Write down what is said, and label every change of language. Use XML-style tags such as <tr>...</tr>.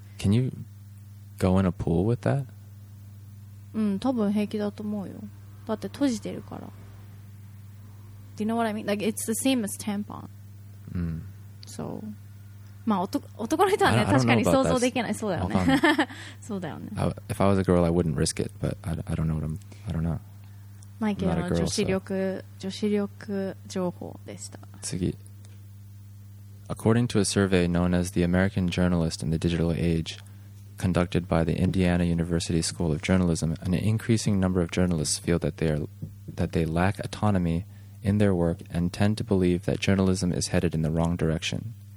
<en>Can youGo in a pool with that?</en> <ja>うん、多分平気だと思うよ。だって閉じてるから。</ja> <en>Do you know what I mean? Like, it's the same as tampon. Mm.</en> <ja>So, まあ男の人はね、確かに想像できない。そうだよね。そうだよね。</ja> <en>If I was a girl, I wouldn't risk it, but I don't know what I'm... I don't know.</en> <ja>マイケルの女子力、女子力情報でした。次。</ja> <en>According to a survey known as the American Journalist in the Digital Age... conducted by the Indiana University School of Journalism, an increasing number of journalists feel that they lack autonomy in their work and tend to believe that journalism is headed in the wrong direction.</en>